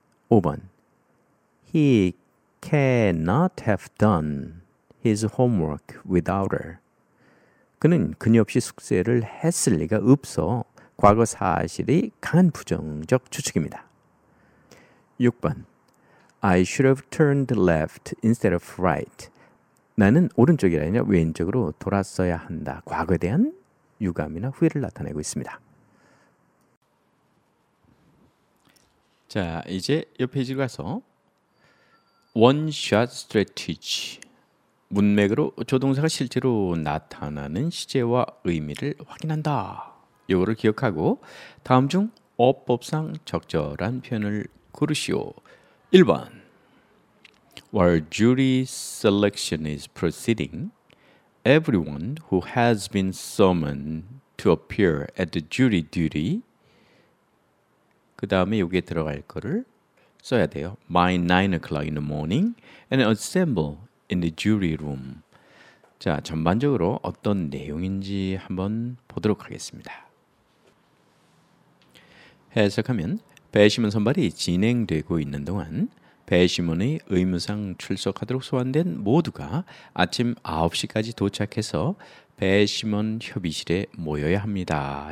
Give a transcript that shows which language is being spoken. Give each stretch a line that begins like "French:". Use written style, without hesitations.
Korean: 5번.
English: He cannot have done his homework without her.
Korean: 그는 그녀 없이 숙제를 했을 리가 없어. 과거 사실이 강한 부정적 추측입니다. 6번.
English: I should have turned left instead of right.
Korean: 나는 오른쪽이 아니라 왼쪽으로 돌았어야 한다. 과거에 대한 유감이나 후회를 나타내고 있습니다. 자, 이제 옆 페이지로 가서 원샷 스트레티지. 문맥으로 조동사가 실제로 나타나는 시제와 의미를 확인한다. 요거를 기억하고 다음 중 어법상 적절한 표현을 고르시오. 1번.
English: While jury selection is proceeding, everyone who has been summoned to appear at the jury duty.
Korean: 그 다음에 여기에 들어갈 거를 써야 돼요.
English: By 9 o'clock in the morning and assemble in the jury room.
Korean: 자, 전반적으로 어떤 내용인지 한번 보도록 하겠습니다. 해석하면 배심원 선발이 진행되고 있는 동안 배심원의 의무상 출석하도록 소환된 모두가 아침 9시까지 도착해서 배심원 협의실에 모여야 합니다.